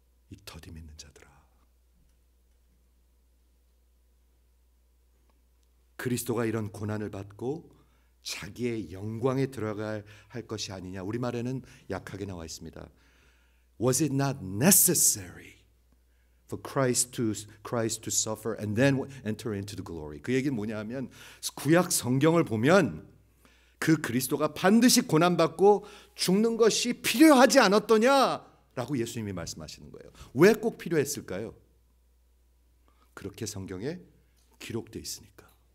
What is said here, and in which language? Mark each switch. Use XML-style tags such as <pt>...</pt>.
<ko>이 더디 믿는 자들아. 그리스도가 이런 고난을 받고 자기의 영광에 들어갈 할 것이 아니냐. 우리말에는 약하게 나와 있습니다.</ko> <en>Was it not necessary for Christ to suffer and then enter into the glory?</en> <ko>그 얘기는 뭐냐 하면 구약 성경을 보면 그 그리스도가 반드시 고난받고 죽는 것이 필요하지 않았더냐라고 예수님이 말씀하시는 거예요. 왜 꼭 필요했을까요? 그렇게 성경에 기록되어 있으니까.</ko>